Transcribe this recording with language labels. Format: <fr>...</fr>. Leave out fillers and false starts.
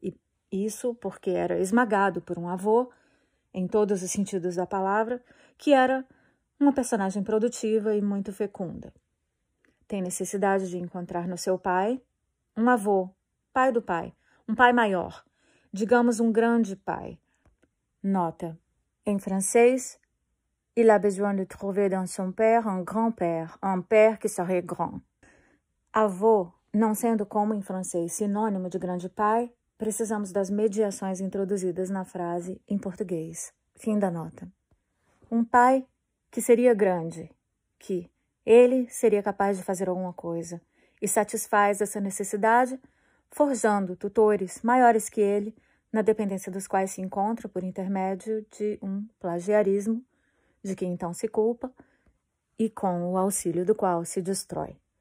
<pt>E isso porque era esmagado por um avô, em todos os sentidos da palavra, que era uma personagem produtiva e muito fecunda. Tem necessidade de encontrar no seu pai um avô, pai do pai, um pai maior, digamos um grande pai. Nota, em francês,</pt> <fr>il a besoin de trouver dans son père un grand père, un père qui serait grand.</fr> <pt>Avô, não sendo como em francês sinônimo de grande pai, precisamos das mediações introduzidas na frase em português. Fim da nota. Um pai que seria grande, que ele seria capaz de fazer alguma coisa e satisfaz essa necessidade forjando tutores maiores que ele, na dependência dos quais se encontra por intermédio de um plagiarismo, de que então se culpa e com o auxílio do qual se destrói.</pt>